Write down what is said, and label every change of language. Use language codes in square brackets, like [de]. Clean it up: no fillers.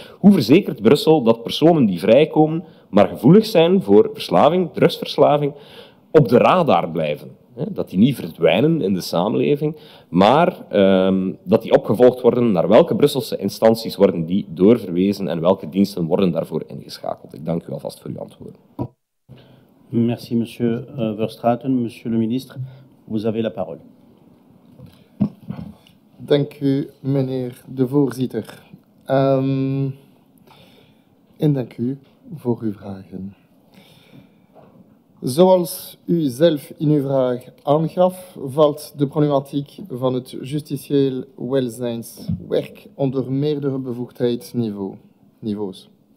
[nl] Hoe verzekert Brussel dat personen die vrijkomen, maar gevoelig zijn voor verslaving, drugsverslaving, op de radar blijven? Dat die niet verdwijnen in de samenleving, maar dat die opgevolgd worden. Naar welke Brusselse instanties worden die doorverwezen en welke diensten worden daarvoor ingeschakeld? Ik dank u alvast voor uw antwoorden. [fr] Merci, monsieur Verstraeten. Monsieur le ministre, vous avez la parole. [nl] Dank u, meneer de voorzitter. En dank u voor uw vragen. Zoals u zelf in uw vraag aangaf, valt de problematiek van het justitieel welzijnswerk onder meerdere bevoegdheidsniveaus.